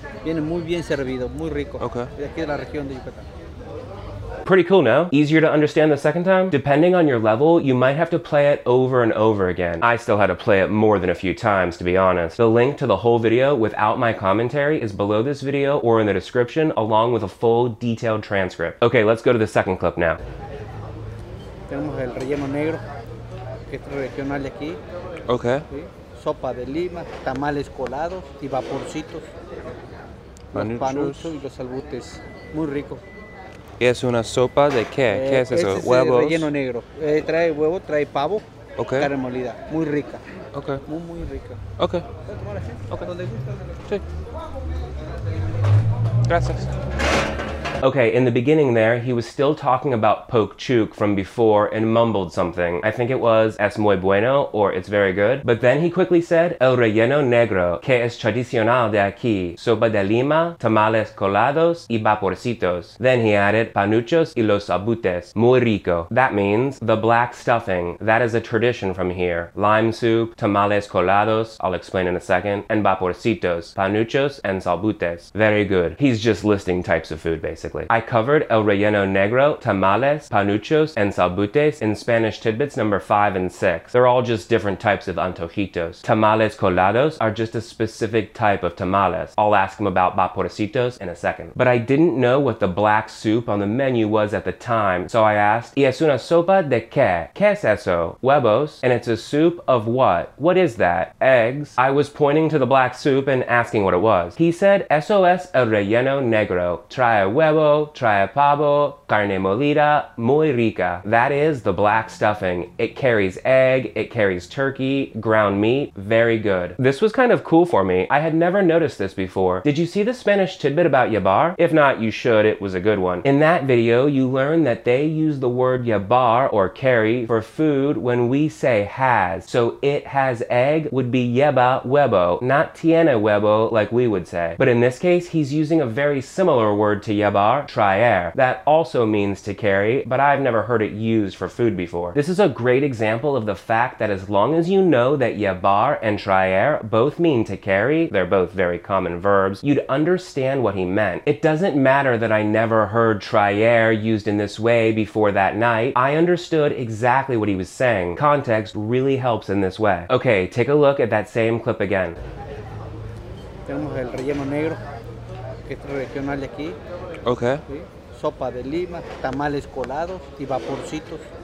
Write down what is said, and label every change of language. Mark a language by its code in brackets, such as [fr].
[es] Viene muy bien servido, muy rico. Okay. De aquí de la región de Yucatán. [en] Pretty cool, no? Easier to understand the second time? Depending on your level, you might have to play it over and over again. I still had to play it more than a few times, to be honest. The link to the whole video without my commentary is below this video or in the description, along with a full detailed transcript. Okay, let's go to the second clip now. [es] Tenemos el relleno negro, que es regional de aquí. Okay. ¿Sí? Sopa de lima, tamales colados y vaporcitos. Panuchos. Panuchos y los albutes. Muy rico. ¿Y es una sopa de qué? ¿Qué es eso? Es ¿huevos? Es relleno negro. Trae huevo, trae pavo. Okay. Carne molida. Muy rica. Okay. Muy, muy rica. Okay. Okay. ¿Dónde gusta? Sí. Gracias. [en] Okay, in the beginning there, he was still talking about pokchuk from before and mumbled something. I think it was, [es] es muy bueno, [en] or it's very good. But then he quickly said, [es] el relleno negro, que es tradicional de aquí. Sopa de lima, tamales colados y vaporcitos. [en] Then he added, [es] panuchos y los abutes. Muy rico. [en] That means, the black stuffing. That is a tradition from here. Lime soup, tamales colados, I'll explain in a second, and vaporcitos, panuchos and salbutes. Very good. He's just listing types of food, basically. I covered el relleno negro, tamales, panuchos, and salbutes in Spanish tidbits number 5 and 6. They're all just different types of antojitos. Tamales colados are just a specific type of tamales. I'll ask him about vaporcitos in a second. But I didn't know what the black soup on the menu was at the time, so I asked, [es] ¿Y es una sopa de qué? ¿Qué es eso? Huevos. [en] And it's a soup of what? What is that? Eggs. I was pointing to the black soup and asking what it was. He said, [es] eso es el relleno negro. Trae huevos. huevo, trae pavo, carne molida, muy rica. [en] That is the black stuffing. It carries egg, it carries turkey, ground meat, very good. This was kind of cool for me. I had never noticed this before. Did you see the Spanish tidbit about yabar? If not, you should, it was a good one. In that video, you learn that they use the word yabar or carry for food when we say has. So it has egg would be [es] lleva huevo, [en] not [es] tiene huevo [en] like we would say. But in this case, he's using a very similar word to yabar, traer. That also means to carry, but I've never heard it used for food before. This is a great example of the fact that as long as you know that yabar and traer both mean to carry, they're both very common verbs, you'd understand what he meant. It doesn't matter that I never heard traer used in this way before that night. I understood exactly what he was saying. Context really helps in this way. Okay, take a look at that same clip again. [es] Tenemos el relleno negro, que es regional de aquí. Okay. Sí. Sopa de lima, tamales colados y vaporcitos.